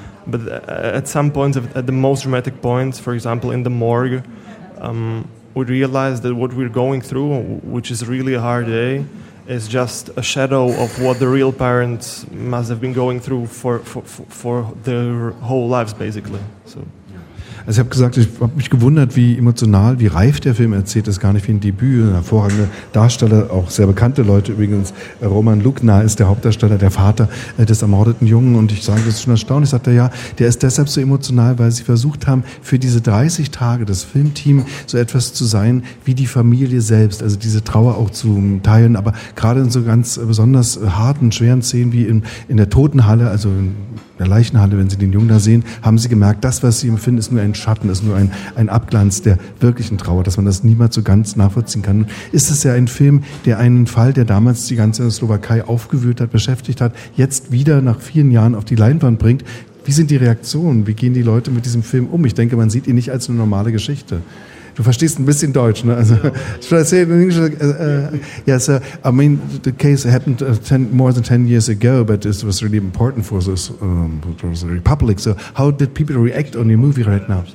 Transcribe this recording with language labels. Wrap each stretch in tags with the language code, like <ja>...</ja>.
<en>But at some points, at the most dramatic points, for example, in the morgue, we realized that what we're going through, which is really a hard day, is just a shadow of what the real parents must have been going through for their whole lives, basically. So.</en> <de>Also ich habe gesagt, ich habe mich gewundert, wie emotional, wie reif der Film erzählt. Das ist gar nicht wie ein Debüt. Ein hervorragender Darsteller, auch sehr bekannte Leute übrigens. Roman Lugner ist der Hauptdarsteller, der Vater des ermordeten Jungen. Und ich sage, das ist schon erstaunlich. Ich sagte, ja, der ist deshalb so emotional, weil sie versucht haben, für diese 30 Tage das Filmteam so etwas zu sein wie die Familie selbst. Also diese Trauer auch zu teilen. Aber gerade in so ganz besonders harten, schweren Szenen wie in der Totenhalle, also in der Leichenhalle, wenn sie den Jungen da sehen, haben sie gemerkt, das, was sie empfinden, ist nur ein Schatten, ist nur ein Abglanz der wirklichen Trauer, dass man das niemals so ganz nachvollziehen kann. Ist es ja ein Film, der einen Fall, der damals die ganze Slowakei aufgewühlt hat, beschäftigt hat, jetzt wieder nach vielen Jahren auf die Leinwand bringt. Wie sind die Reaktionen? Wie gehen die Leute mit diesem Film um? Ich denke, man sieht ihn nicht als eine normale Geschichte. Du verstehst ein bisschen Deutsch, ne? Also,</de> <en>should I say it in English? Yes, I mean, the case happened more than 10 years ago, but it was really important for this for the Republic. So how did people react on your movie right now?</en>